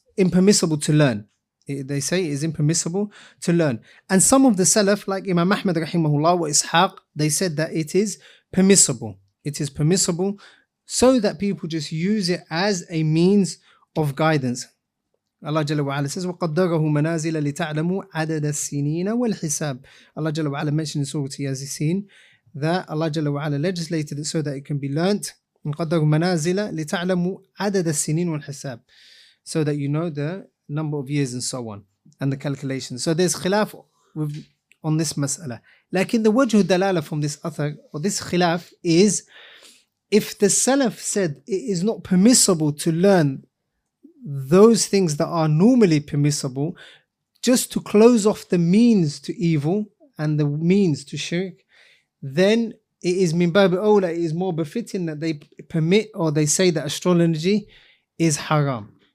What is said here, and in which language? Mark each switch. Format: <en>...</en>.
<en>impermissible to learn. They say it is impermissible to learn. And some of the Salaf, like Imam Ahmad rahimahullah wa Ishaq, they said that it is permissible. It is permissible so that people just use it as a means of guidance. Allah Jalla wa Ala says,</en> <ar>وَقَدَّرَهُ مَنَازِلَ لِتَعْلَمُوا عَدَدَ السِّنِينَ وَالْحِسَابِ.</ar> <en>Allah Jalla wa Ala mentioned in Surah Yasin that Allah Jalla wa Ala legislated it so that it can be learnt.</en> <ar>وَقَدَّرُوا مَنَازِلَ لِتَعْلَمُوا عَدَدَ السِّنِينَ وَالْحِسَابِ.</ar> <en>So that you know the number of years and so on, and the calculation. So there's khilaf on this mas'ala. Lakin the wajhu dalala from this author, or this khilaf, is if the Salaf said it is not permissible to learn those things that are normally permissible, just to close off the means to evil and the means to shirk, then it is</en> <ar>min babi awla,</ar> <en>it is more befitting that they permit or they say that astrology is haram.</en>